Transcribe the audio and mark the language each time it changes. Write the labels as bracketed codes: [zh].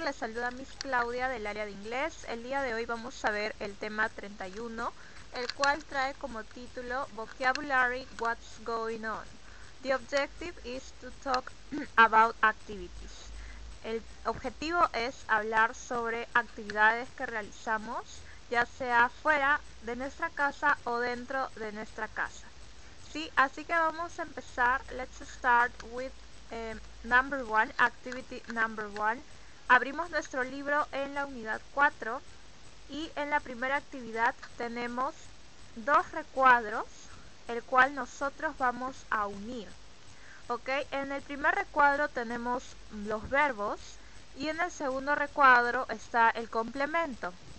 [es] Les saluda Miss Claudia del área de inglés. El día de hoy vamos a ver el tema 31, el cual trae como título Vocabulary, What's Going On. [en] The objective is to talk about activities. [es] El objetivo es hablar sobre actividades que realizamos, ya sea fuera de nuestra casa o dentro de nuestra casa. Sí, así que vamos a empezar. [en] Let's start with number one, activity number one. [es] Abrimos nuestro libro en la unidad 4 y en la primera actividad tenemos dos recuadros, el cual nosotros vamos a unir. Ok, en el primer recuadro tenemos los verbos y en el segundo recuadro está el complemento.